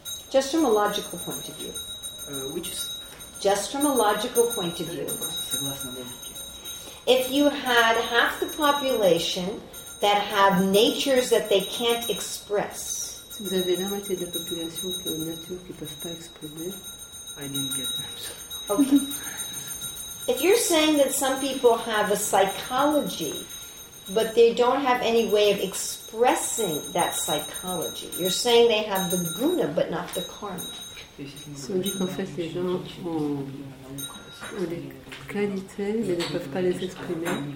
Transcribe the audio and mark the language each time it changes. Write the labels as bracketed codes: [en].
[en] just from a logical point of view, just from a logical point of view, if you had half the population that have natures that they can't express, [fr] si vous avez la moitié de la population qui a une nature qu'ils ne peuvent pas exprimer, [en] okay. If you're saying that some people have a psychology, but they don't have any way of expressing that psychology, you're saying they have the guna, but not the karma. [fr] So on dit qu'en fait les gens ont des qualités, mais ne peuvent pas les exprimer.